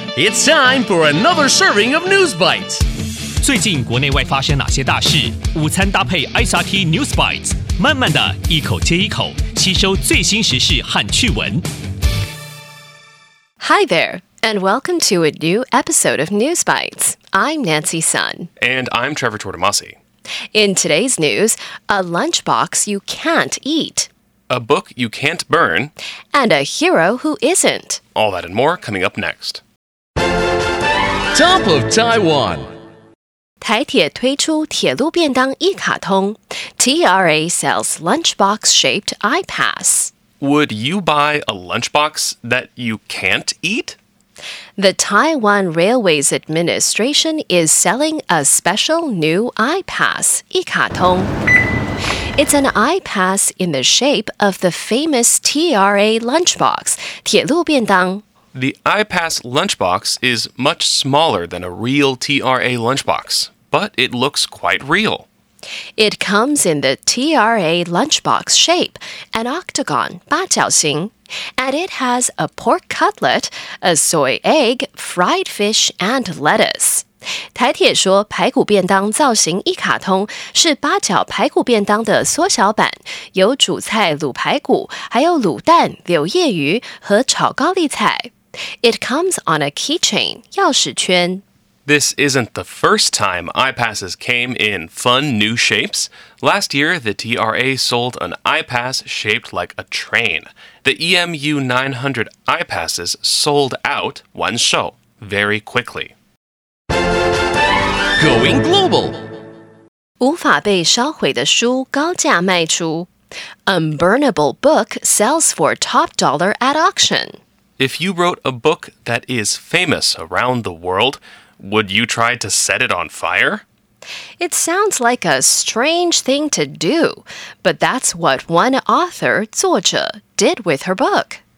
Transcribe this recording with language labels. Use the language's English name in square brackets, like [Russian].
[English] It's time for another serving of News Bites. [Chinese] 最近国内外发生哪些大事？午餐搭配 SRT News Bites， 慢慢的一口接一口，吸收最新时事和趣闻。 [English] Hi there, and welcome to a new episode of News Bites. I'm Nancy Sun. And I'm Trevor Tortomasi. In today's news, a lunchbox you can't eat. A book you can't burn. And a hero who isn't. All that and more coming up next. Top of Taiwan. [Chinese] 台铁推出铁路便当一卡通。 [English] TRA sells lunchbox-shaped iPass. Would you buy a lunchbox that you can't eat? The Taiwan Railways Administration is selling a special new iPass, [Chinese] 一卡通. [English] It's an iPass in the shape of the famous TRA lunchbox, [Chinese] 铁路便当. [English] The iPass lunchbox is much smaller than a real TRA lunchbox, but it looks quite real. It comes in the TRA lunchbox shape, an octagon, [Chinese] 八角形. [English] And it has a pork cutlet, a soy egg, fried fish, and lettuce. [Chinese] 台铁说排骨便当造型一卡通是八角排骨便当的缩小版，有主菜卤排骨，还有卤蛋、柳叶鱼和炒高丽菜。 [English] It comes on a keychain, [Chinese] 钥匙圈。 [English] This isn't the first time iPasses came in fun new shapes. Last year, the TRA sold an iPass shaped like a train. The EMU 900 iPasses sold out, [Chinese] 完售, [English] very quickly. Going global! [Chinese] 无法被烧毁的书高价卖出。 [English] Unburnable book sells for top dollar at auction. If you wrote a book that is famous around the world,Would you try to set it on fire? It sounds like a strange thing to do, but that's what one author, [Chinese] 作者, [English] did with her book.